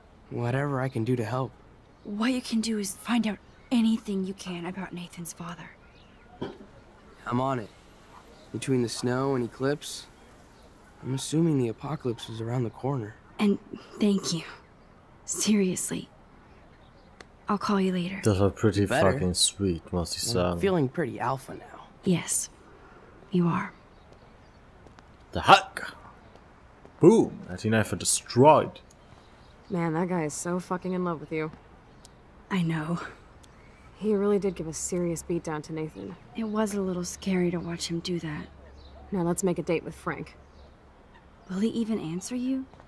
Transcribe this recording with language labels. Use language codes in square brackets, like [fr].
[en] Whatever I can do to help. What you can do is find out anything you can about Nathan's father. I'm on it. Between the snow and eclipse, I'm assuming the apocalypse is around the corner. And thank you. Seriously. I'll call you later. [de] Das war [en] pretty fucking sweet, [de] muss ich sagen. [en] I'm feeling pretty alpha now. Yes, you are. The Hulk. [de] Boom, hat ihn einfach destroyed. [en] Man, that guy is so fucking in love with you. I know. He really did give a serious beatdown to Nathan. It was a little scary to watch him do that. Now let's make a date with Frank. Will he even answer you?